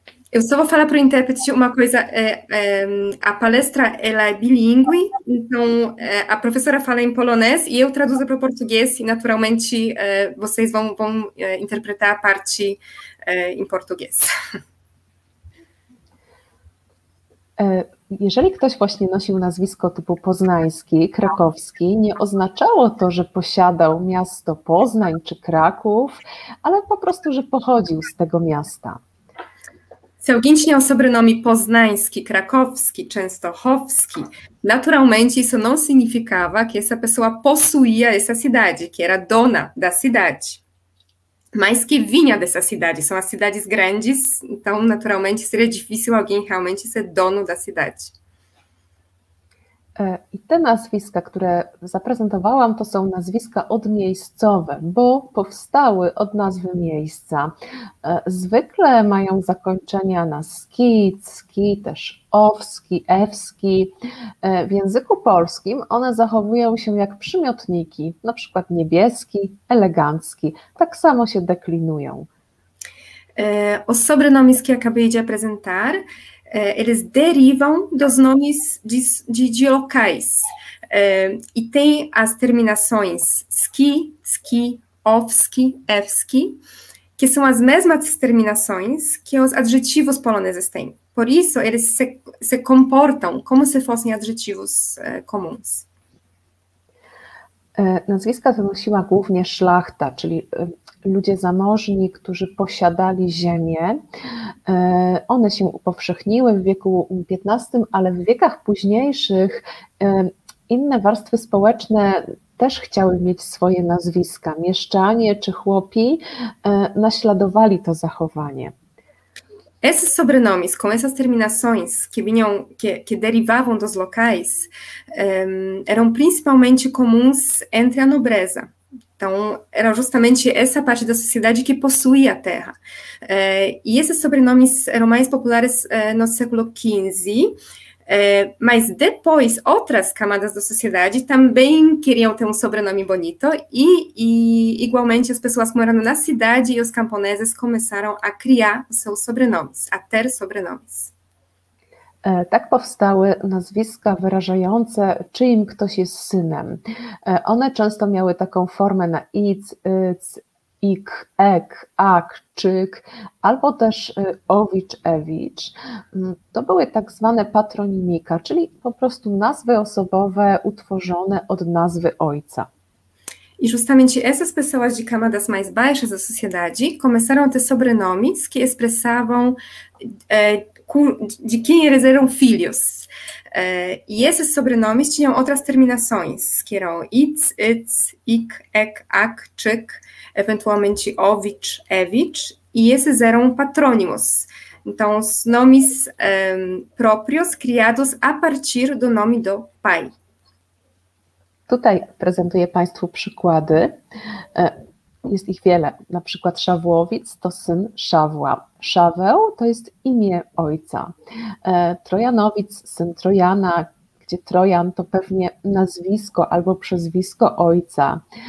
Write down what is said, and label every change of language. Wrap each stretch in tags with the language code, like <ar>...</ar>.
<pt>Eu só vou falar para o intérprete uma coisa. A palestra ela é bilíngue, então a professora fala em polonês e eu traduzo para o português e naturalmente vocês vão interpretar a parte em português.</pt> <pl>Jeżeli ktoś właśnie nosił nazwisko typu poznański, krakowski, nie oznaczało to, że posiadał miasto Poznań czy Kraków, ale po prostu, że pochodził z tego miasta.</pl> <pt>Se alguém tinha o sobrenome Poznański, Krakowski, Częstochowski, naturalmente isso não significava que essa pessoa possuía essa cidade, que era dona da cidade, mas que vinha dessa cidade. São as cidades grandes, então naturalmente seria difícil alguém realmente ser dono da cidade.</pt> <pl>I te nazwiska, które zaprezentowałam, to są nazwiska odmiejscowe, bo powstały od nazwy miejsca. Zwykle mają zakończenia na ski, cki, też owski, ewski. W języku polskim one zachowują się jak przymiotniki, na przykład niebieski, elegancki. Tak samo się deklinują.</pl> <pt>O sobrenomes que acabei de apresentar, eles derivam dos nomes de locais. E tem as terminações ski, ski, owski, ewski, que são as mesmas terminações que os adjetivos poloneses têm. Por isso, eles se comportam como se fossem adjetivos comuns.</pt> <pl>Nazwiska wynosiła głównie szlachta, czyli ludzie zamożni, którzy posiadali ziemię. One się upowszechniły w wieku XV, ale w wiekach późniejszych inne warstwy społeczne też chciały mieć swoje nazwiska. Mieszczanie czy chłopi naśladowali to zachowanie.</pl> <pt>Esses sobrenomes com essas terminações que vinham, que derivavam dos locais, eram principalmente comuns entre a nobreza. Então, era justamente essa parte da sociedade que possuía a terra. E esses sobrenomes eram mais populares no século XV, mas depois outras camadas da sociedade também queriam ter um sobrenome bonito e igualmente as pessoas morando na cidade e os camponeses começaram a criar os seus sobrenomes, a ter sobrenomes.</pt> <pl>Tak powstały nazwiska wyrażające, czyim ktoś jest synem. One często miały taką formę na ic, ik, ek, ak, czyk, albo też owicz, ewicz. To były tak zwane patronimika, czyli po prostu nazwy osobowe utworzone od nazwy ojca.</pl> <pt>E justamente essas pessoas de camadas mais baixas da sociedade começaram a ter sobrenomes que expressavam de quem eles eram filhos. E esses sobrenomes tinham outras terminações, que eram itz, itz, ik, ek, ak, czyk, eventualmente owicz, ewicz, e esses eram patrônimos. Então, os nomes próprios criados a partir do nome do pai.</pt> <pl>Tutaj prezentuję Państwu przykłady. Jest ich wiele. Na przykład Szawłowic to syn Szawła. Szaweł to jest imię ojca. Trojanowic, syn Trojana, gdzie Trojan to pewnie nazwisko albo przezwisko ojca.</pl>